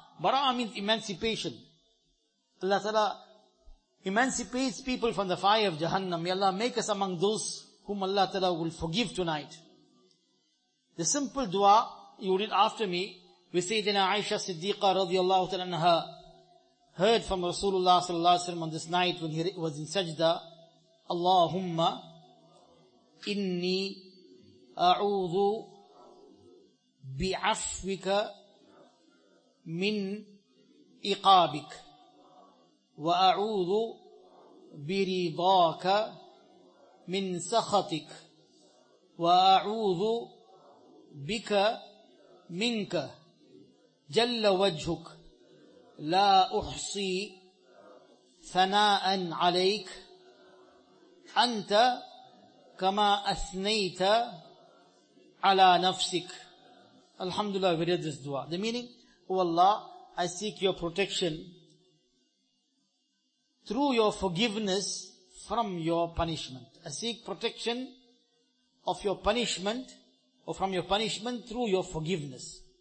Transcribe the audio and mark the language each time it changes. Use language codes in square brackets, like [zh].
[en] Bara'ah means emancipation. Allah Ta'ala emancipates people from the fire of Jahannam. May Allah make us among those whom Allah Ta'ala will forgive tonight. The simple dua, you read after me, with Sayyidina Aisha Siddiqa radiallahu ta'ala anha, heard from Rasulullah sallallahu alayhi wa sallam on this night when he was in sajda. [ar] Allahumma inni a'udhu بِعَفْوِكَ مِنْ إِقَابِكَ وَأَعُوذُ بِرِضَاكَ مِنْ سَخَطِكَ وَأَعُوذُ بِكَ مِنْكَ جَلَّ وَجْهُكَ لَا أُحْصِي ثَنَاءً عَلَيْكَ أَنْتَ كَمَا أَثْنَيْتَ عَلَى نَفْسِكَ. [en] Alhamdulillah, we read this dua. The meaning, O Allah, I seek your protection through your forgiveness from your punishment. I seek protection of your punishment or from your punishment through your forgiveness.